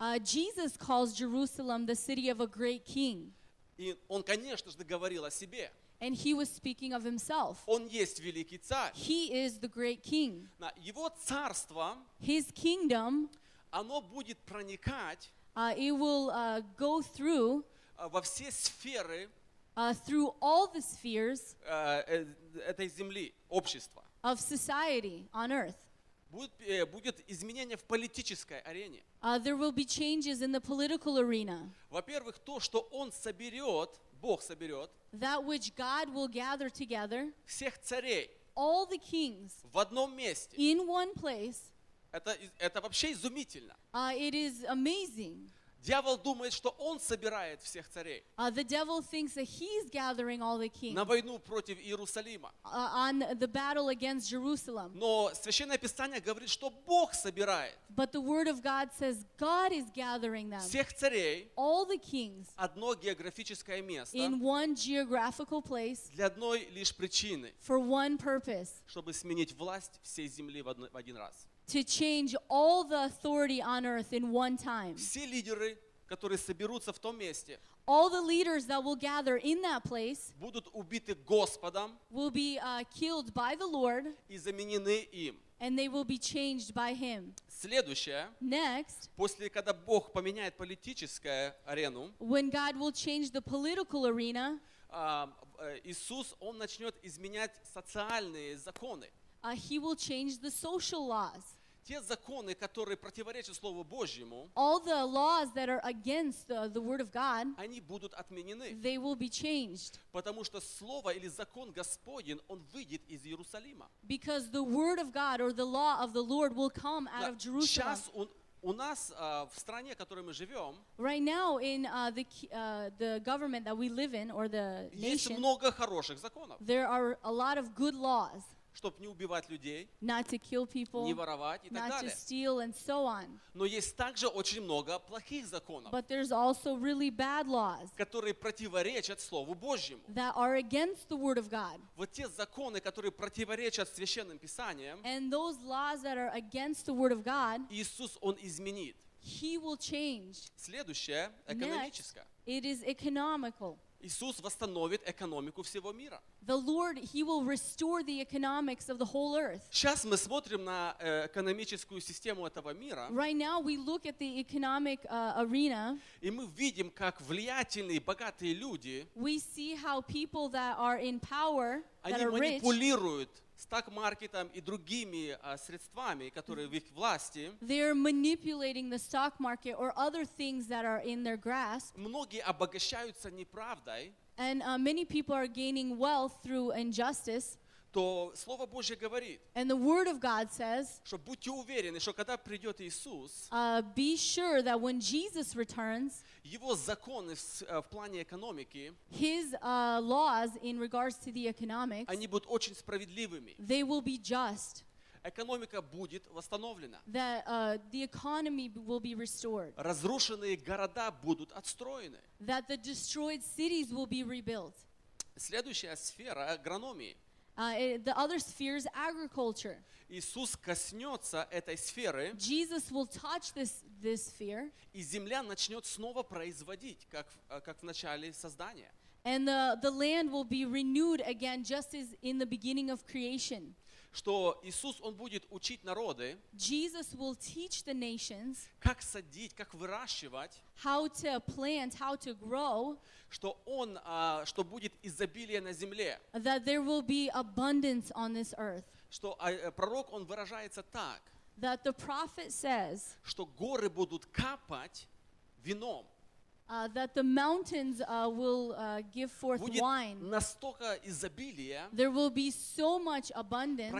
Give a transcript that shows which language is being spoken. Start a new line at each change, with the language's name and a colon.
English: Jesus calls Jerusalem the city of a great king.
Russian: И он, конечно же, говорил о себе.
English: And he was speaking of himself.
Russian: Он есть великий царь.
English: He is the great king.
Russian: Его царство,
English: his kingdom,
Russian: оно будет проникать
English: It will go through
Russian: во все сферы,
English: through all the spheres
Russian: этой земли, общества,
English: of society on earth.
Russian: Будет изменение в политической арене.
English: There will be changes in the political arena.
Russian: Во-первых, то, что он соберет, Бог соберет,
English: that which God will gather together,
Russian: всех царей,
English: all the kings,
Russian: в одном месте,
English: in one place.
Russian: Это вообще изумительно.
English: It is amazing.
Russian: Дьявол думает, что он собирает всех царей.
English: The devil thinks that he's gathering all the kings.
Russian: На войну против Иерусалима.
English: On the battle against Jerusalem.
Russian: Но Священное Писание говорит, что Бог собирает.
English: But the word of God says God is gathering them.
Russian: Всех царей.
English: All the kings.
Russian: Одно географическое место.
English: In one geographical place.
Russian: Для одной лишь причины.
English: For one purpose.
Russian: Чтобы сменить власть всей земли в один раз.
English: To change all the authority on earth in one time.
Russian: Все лидеры, которые соберутся в том месте,
English: all the leaders that will gather in that place,
Russian: будут убиты Господом,
English: will be killed by the Lord,
Russian: и заменены им.
English: And they will be changed by him.
Russian: Следующее.
English: Next.
Russian: После, когда Бог поменяет политическую арену,
English: when God will change the political arena,
Russian: Иисус, он начнет изменять социальные законы.
English: He will change the social laws.
Russian: Те законы, которые противоречат Слову Божьему,
English: all the laws that are against the word of God,
Russian: они будут отменены.
English: They will be changed.
Russian: Потому что слово или закон Господень, он выйдет из Иерусалима.
English: Because the word of God or the law of the Lord will come out of Jerusalem.
Russian: Сейчас у нас в стране, в которой мы живем,
English: right now in the government that we live in or the nation,
Russian: есть много хороших законов.
English: There are a lot of good laws.
Russian: Чтобы не убивать людей,
English: not to kill people,
Russian: не воровать и
English: not
Russian: так
English: to
Russian: далее.
English: Steal and so on.
Russian: Но есть также очень много плохих законов,
English: but there's also really bad laws,
Russian: которые противоречат Слову Божьему.
English: That are against the word of God.
Russian: Вот те законы, которые противоречат Священным Писаниям,
English: and those laws that are against the word of God,
Russian: Иисус, Он изменит.
English: He will change.
Russian: Следующее, экономическое.
English: Next, it is economical.
Russian: Иисус восстановит экономику всего мира.
English: The Lord, He will restore the economics of the whole earth.
Russian: Сейчас мы смотрим на экономическую систему этого мира.
English: Right now we look at the economic arena.
Russian: И мы видим, как влиятельные, богатые люди,
English: we see how people that are in power,
Russian: они
English: that are
Russian: манипулируют
English: rich,
Russian: стокмаркетом и другими средствами, которые в их власти.
English: They are manipulating the stock market or other things that are in their grasp.
Russian: Многие обогащаются неправдой.
English: And many people are gaining wealth through injustice.
Russian: То Слово Божье говорит,
English: and the word of God says,
Russian: что будьте уверены, что когда придет Иисус,
English: be sure that when Jesus returns,
Russian: Его законы в плане экономики,
English: His laws in regards to the economics,
Russian: они будут очень справедливыми.
English: They will be just.
Russian: Экономика будет восстановлена.
English: That, the economy will be restored.
Russian: Разрушенные города будут отстроены.
English: That the destroyed cities will be rebuilt.
Russian: Следующая сфера агрономии.
English: The other sphere is agriculture.
Russian: Иисус коснется этой сферы,
English: Jesus will touch this sphere,
Russian: и земля начнет снова производить, как в начале создания.
English: And the land will be renewed again, just as in the beginning of creation.
Russian: Что Иисус, Он будет учить народы,
English: Jesus will teach the nations,
Russian: как садить, как выращивать,
English: how to plant, how to grow,
Russian: что Он, что будет изобилие на земле,
English: that there will be abundance on this earth,
Russian: что пророк, он выражается так,
English: that the prophet says,
Russian: что горы будут капать вином,
English: that the mountains will give forth
Russian: будет
English: wine.
Russian: Настолько изобилие,
English: there will be so much abundance.